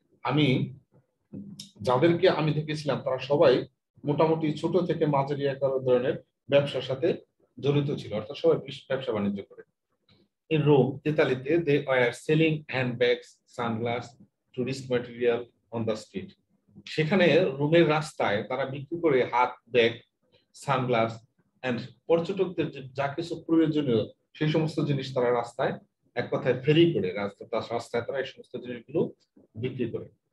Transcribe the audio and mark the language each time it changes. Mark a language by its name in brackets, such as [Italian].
[Bangla] আমি যাদেরকে আমি দেখেছিলাম তারা সবাই মোটামুটি ছোট থেকে মাঝারি আকার ধরনের ব্যবসার সাথে জড়িত ছিল, অর্থাৎ সবাই ব্যবসা বাণিজ্য করে. [English] In Rome, Italy, they were selling handbags, sunglasses, tourist material on the street. [Bangla] সেখানে রোমের রাস্তায় তারা বিক্রি করে হাত ব্যাগ, সানগ্লাস এন্ড পর্যটকদের যা কিছু প্রয়োজনীয় সেই সমস্ত জিনিস তারা রাস্তায় এক কথায় ফেরি করে, রাস্তায় তারা এই সমস্ত জিনিসগুলো বিক্রি করে।